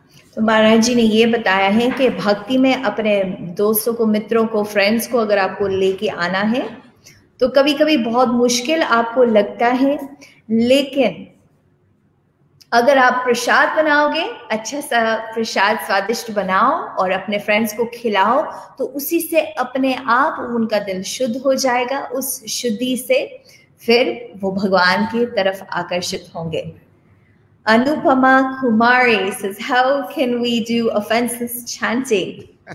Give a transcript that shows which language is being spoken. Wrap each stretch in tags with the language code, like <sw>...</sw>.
<hi>So Maharaj ji ne ye bataya hai ki bhakti mein apne doston ko, mitron ko, friends ko agar aapko leke aana hai, to kabhi kabhi bahut mushkil aapko lagta hai, lekin अगर आप प्रसाद बनाओगे, अच्छा सा प्रसाद स्वादिष्ट बनाओ और अपने friends को खिलाओ, तो उसी से अपने आप उनका दिल शुद्ध हो जाएगा. उस शुद्धि से फिर वो भगवान की तरफ आकर्षित होंगे.</hi> <en>Anupama Kumari says, how can we do offenseless chanting?</en>